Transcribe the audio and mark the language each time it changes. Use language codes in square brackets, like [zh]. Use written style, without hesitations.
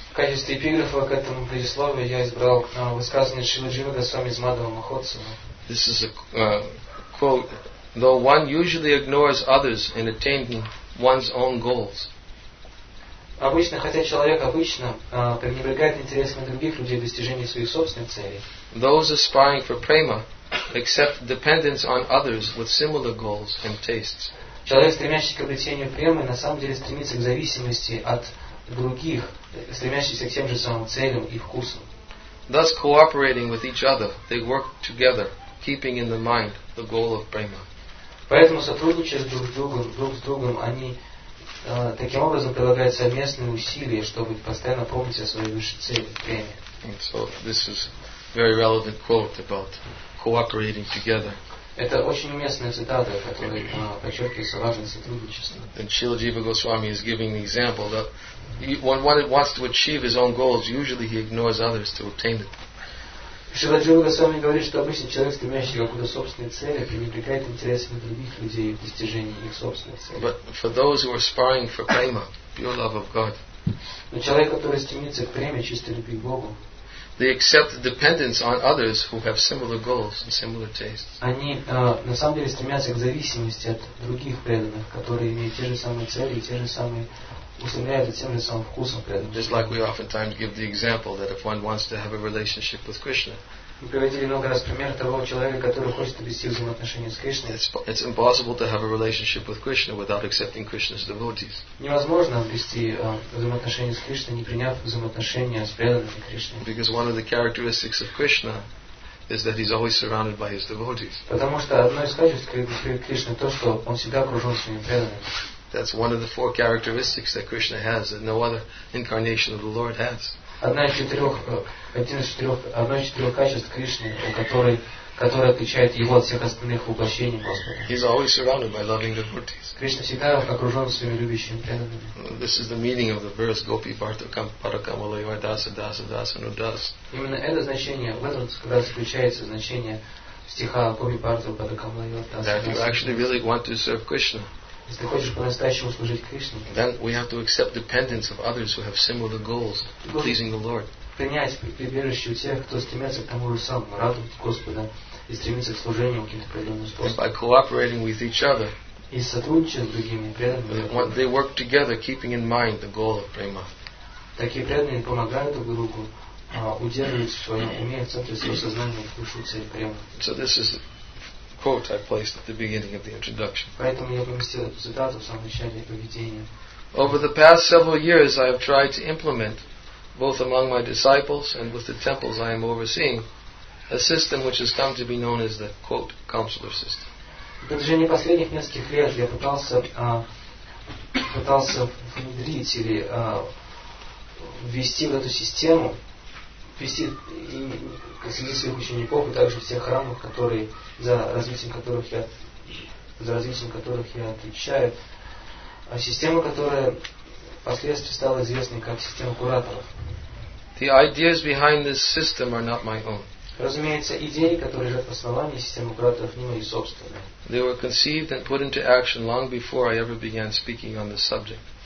[ru] В качестве эпиграфа к этому предисловию я избрал высказывание Чила Джива Госвами из Мадхава Махотсава. [en] This is a quote: though one usually ignores others in attaining one's own goals. [ru] Обычно, хотя человек обычно пренебрегает интересами других людей в достижении своих собственных целей. [en] Those aspiring for prema accept dependence on others with similar goals and tastes. [ru] Человек, стремящийся к обретению премы, на самом деле стремится к зависимости от других, стремящихся к тем же самым целям и вкусам. [en] Thus, cooperating with each other, they work together, keeping in the mind the goal of prema. [ru] Поэтому, сотрудничая друг с другом, они таким образом прилагают совместные усилия, чтобы постоянно помнить о своей высшей цели, преме. [en] And so, this is very relevant quote about cooperating together. [ru] Это очень уместная цитата, которая подчеркивает важность сотрудничества. [en] And Srila Jiva Goswami is giving the example that when one wants to achieve his own goals, usually he ignores others to obtain it. [ru] Srila Jiva Goswami говорит, что обычно человек, стремящийся к какой-то собственной цели, пренебрегает интересами других людей в достижении их собственной цели. [en] But for those who are aspiring for prema, pure love of God. [ru] Но человек, который стремится к преме, чистой любви к Богу. [en] They accept dependence on others who have similar goals and similar tastes. [ru] Они на самом деле стремятся к зависимости от других преданных, которые имеют те же самые цели и те же самые устремляются тем же самым вкусом преданных. [en] Just like we oftentimes give the example that if one wants to have a relationship with Krishna. [ru] Мы приводили много раз пример того человека, который хочет обрести взаимоотношения с Кришной. [en] It's impossible to have a relationship with Krishna without accepting Krishna's devotees. [ru] Невозможно обрести взаимоотношения с Кришной, не приняв взаимоотношения с преданными Кришной. [en] Because one of the characteristics of Krishna is that he's always surrounded by his devotees. [ru] Потому что одно из качеств Кришны то, что он всегда окружен своими преданными. [en] That's one of the four characteristics that Krishna has that no other incarnation of the Lord has. [ru] Одно из четырех качеств Кришны, которое отличает его от всех остальных воплощений Господа. [en] He's always surrounded by loving devotees. [ru] Кришна всегда окружен своими любящими преданными. [en] This is the meaning of the verse [sa] Gopi Bhartakam Parakamalaya Dasa Dasa Dasa Nudas. [ru] Именно это значение, в этом как раз заключается значение стиха [sa] Gopi Bhartakam Parakamalaya Dasa Dasa. [en] That you actually really want to serve Krishna. [ru] Если ты хочешь по-настоящему служить Кришне, [en] then we have to accept dependence of others who have similar goals, pleasing the Lord. [ru] Принять прибежище у тех, кто стремится к тому же самому, радовать Господа и стремится к служению каким-то преданным способом. [en] By cooperating with each other, [ru] и сотрудничая с другими преданными, [en] they work together, keeping in mind the goal of prema. [ru] Такие преданные помогают друг другу, удерживают в своем уме в центре своего сознания высшую цель према. [en] So this is quote I placed at the beginning of the introduction. [ru] Поэтому я поместил эту цитату в самом начале поведения. [en] Over the past several years, I have tried to implement, both among my disciples and with the temples I am overseeing, a system which has come to be known as the quote counselor system. [ru] В течение последних нескольких лет я пытался внедрить или ввести в эту систему, ввести и среди своих учеников и также всех храмов, которые за развитием которых я отвечаю, система, которая впоследствии стала известной как система кураторов. [en] The ideas behind this system are not my own. [ru] Разумеется, идеи, которые лежат в основании системы кураторов, не мои собственные. [en] They were conceived and put into action long before I ever began speaking on this subject.